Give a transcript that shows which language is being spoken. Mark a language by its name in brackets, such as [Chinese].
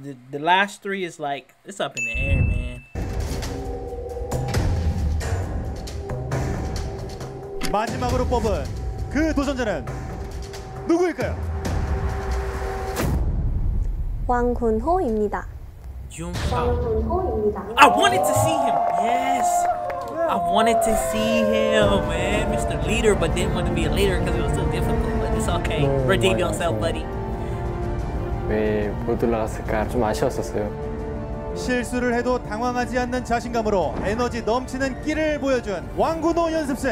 [English] The last three is like, it's up in the air, man. [Korean] 마지막으로 뽑은 그 도전자는 누구일까요? 왕군호입니다. 왕군호입니다. [English] I wanted to see him. Yes. I wanted to see him, man. Mr. Leader, but didn't want to be a leader because it was too difficult. But it's okay. No, redeem yourself, buddy. [Korean] 왜 못 올라갔을까 좀 아쉬웠었어요. 실수를 해도 당황하지 않는 자신감으로 에너지 넘치는 끼를 보여준 왕구노 연습생.